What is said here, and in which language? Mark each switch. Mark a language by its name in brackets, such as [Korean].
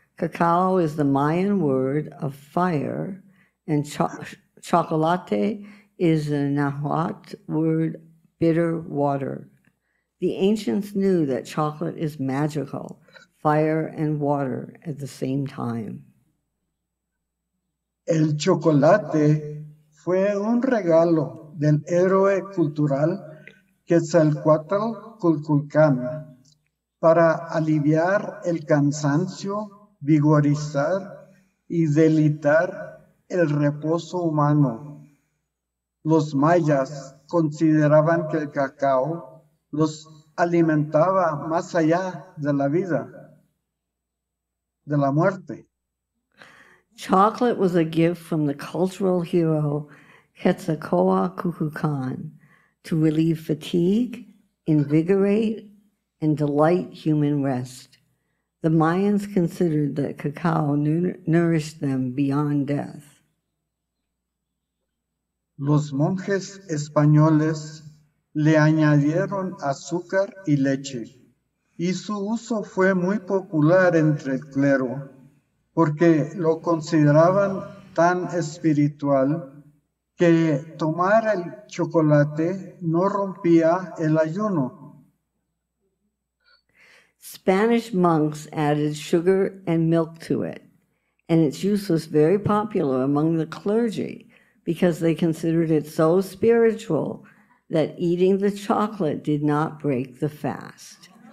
[English] Cacao is the Mayan word of fire, and chocolate is the Nahuatl word bitter water. The ancients knew that chocolate is magical, fire and water at the same time. [Spanish] El chocolate fue un regalo del héroe cultural Quetzalcóatl Kukulcán para aliviar el cansancio, vigorizar y deleitar el reposo humano. Los mayas consideraban que el cacao los alimentaba más allá de la vida, de la muerte. [English] Chocolate was a gift from the cultural hero Quetzalcóatl Kukulcán to relieve fatigue, invigorate, and delight human rest. The Mayans considered that cacao nourished them beyond death. [Spanish] Los monjes españoles le añadieron azúcar y leche, y su uso fue muy popular entre el clero, porque lo consideraban tan espiritual que tomar el chocolate no rompía el ayuno. [English] Spanish monks added sugar and milk to it, and its use was very popular among the clergy because they considered it so spiritual that eating the chocolate did not break the fast.